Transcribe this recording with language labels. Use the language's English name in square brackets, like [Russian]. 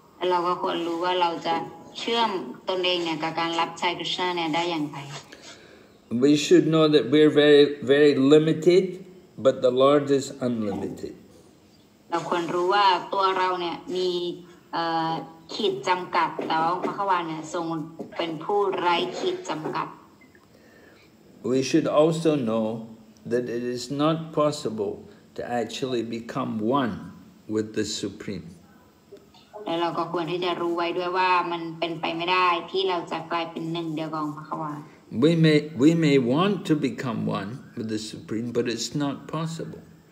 [Thai] เราก็ควรรู้ว่าเราจะเชื่อมตนเองเนี่ยกับการรับใช้ Krishna เนี่ยได้อย่างไร [English] We should know that we're very, very limited, but the Lord is unlimited. [Thai] เราควรรู้ว่าตัวเราเนี่ยมีขีดจำกัดแต่ว่าพระขวานเนี่ยทรงเป็นผู้ไร้ขีดจำกัด [English] We should also know that it is not possible to actually become one with the Supreme. [Thai] และเราก็ควรที่จะรู้ไว้ด้วยว่ามันเป็นไปไม่ได้ที่เราจะกลายเป็นหนึ่งเดียวกับพระขวาน [English] We may want to become one with the Supreme, but it's not possible.